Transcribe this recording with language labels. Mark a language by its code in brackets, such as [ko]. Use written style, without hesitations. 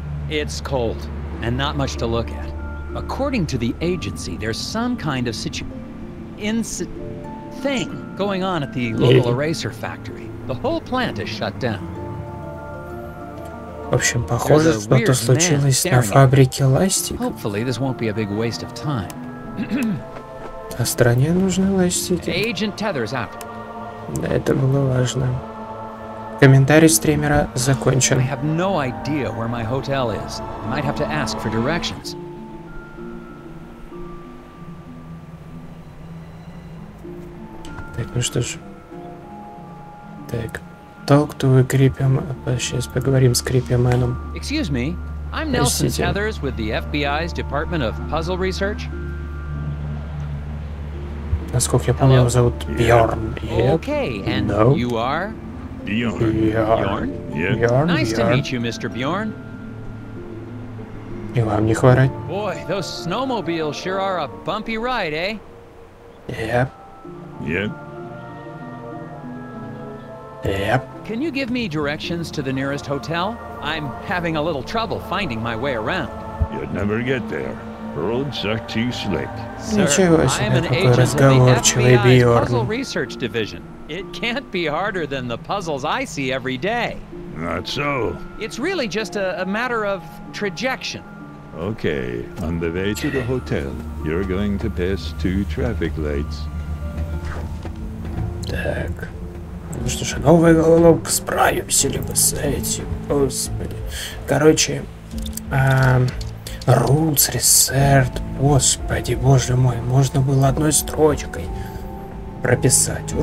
[en] It's cold, and not much to look at. According to the agency, there's some kind of thing going on at the local eraser factory. The whole plant is shut down. [ru] В общем, похоже, что-то случилось на фабрике ластик. [en] Hopefully, this won't be a big waste of time. [ru] А стране нужны ластики. [en] Agent Tethers out. [ru] Да, это было важно. Комментарий стримера закончен. [en] I have no idea where my hotel is. I might have to ask for directions. [ru] Так, ну что ж. Так. [en] Talk to Creepy Man. [ru] Сейчас поговорим с Creepy Man. [en] Excuse me. I'm Nelson Tethers with the FBI's Department of Puzzle Research. [ru] Насколько я помню, его зовут Бьорн. [en] Okay, and you are? Bjorn. Nice to meet you, Mr. Bjorn. [ru] И вам не хворать. [en] Boy, those snowmobiles sure are a bumpy ride, eh? Yep. Can you give me directions to the nearest hotel? I'm having a little trouble finding my way around. You'd never get there. Roads are too slick. [ru] Ничего себе, какой разговорчивый Бьорн. [en] Puzzle research division. It can't be harder than the puzzles I see every day. Not so. It's really just a matter of trajection. Okay, on the way to the hotel, you're going to pass two traffic lights. [ru] Так. Ну что ж, новый головок, справимся ли мы с этим? Господи. Короче, Rules Reset, господи, боже мой, можно было одной строчкой прописать.